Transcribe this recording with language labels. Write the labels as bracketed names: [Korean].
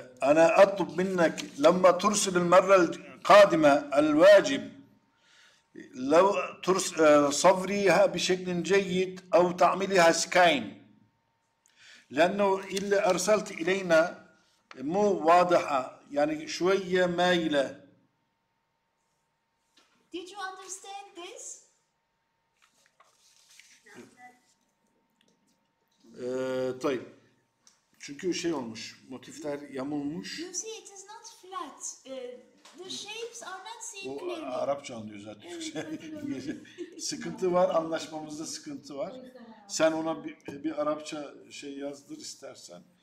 [Arabic] أنا أطلب منك لما ترسل المرة القادمة الواجب لو صفريها بشكل جيد أو تعملها سكاين لأنه اللي أرسلت إلينا مو واضحة يعني شوية مايلة. [English] Did you understand this? [Arabic] طيب. [Turkish] Çünkü şey olmuş, motifler yamulmuş. [English] You see, it is not flat. The shapes are not seen clearly. [Turkish] O Arapça anlıyor zaten. Sıkıntı var, anlaşmamızda sıkıntı var. Sen ona bir Arapça şey yazdır istersen.